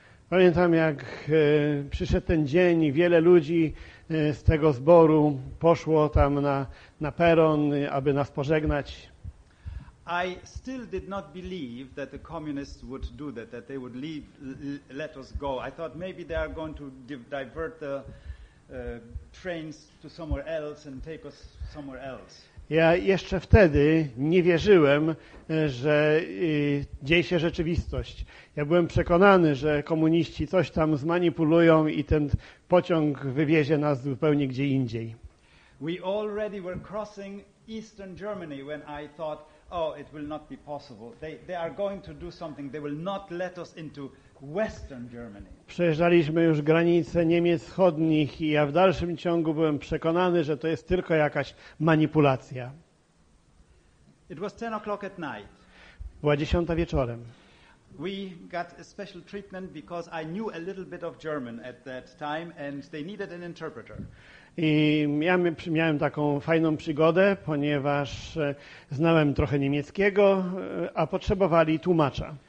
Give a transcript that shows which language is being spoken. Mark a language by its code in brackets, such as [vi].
[pl] Pamiętam, jak przyszedł ten dzień i wiele ludzi z tego zboru poszło tam na peron, aby nas pożegnać. [en] I still did not believe that the communists would do that, that they would leave, let us go. I thought maybe they are going to divert the trains to somewhere else and take us somewhere else. [pl] Ja jeszcze wtedy nie wierzyłem, że dzieje się rzeczywistość. Ja byłem przekonany, że komuniści coś tam zmanipulują i ten pociąg wywiezie nas zupełnie gdzie indziej. [en] We already were crossing Eastern Germany when I thought, oh, it will not be possible. They are going to do something. They will not let us into Western Germany. [pl] Przejeżdżaliśmy już granice Niemiec Wschodnich i ja w dalszym ciągu byłem przekonany, że to jest tylko jakaś manipulacja. [en] It was 10 o'clock at night. [pl] Była 10 wieczorem. [en] We got a special treatment because I knew a little bit of German at that time and they needed an interpreter. [pl] I ja miałem taką fajną przygodę, ponieważ znałem trochę niemieckiego, a potrzebowali tłumacza.